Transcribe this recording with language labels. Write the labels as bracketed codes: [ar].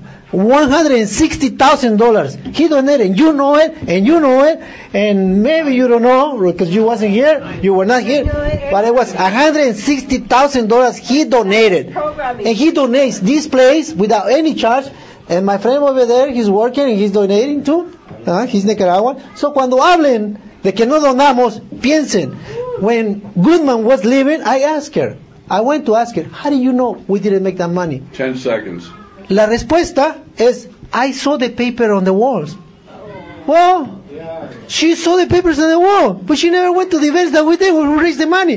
[en] 160,000 dollars. He donated, and you know it, and you know it, and maybe you don't know because you wasn't here, you were not here, but it was $160,000 he donated, and he donates this place without any charge. And my friend over there, he's working and he's donating too. He's Nicaraguan. [es] So cuando hablen de que no donamos, piensen. [en] When Goodman was leaving, I asked her. I went to ask her, how do you know we didn't make that money? 10 seconds. [es] La respuesta es, [en] I saw the paper on the walls. Well, she saw the papers on the wall, but she never went to the events that we did where we raised the money.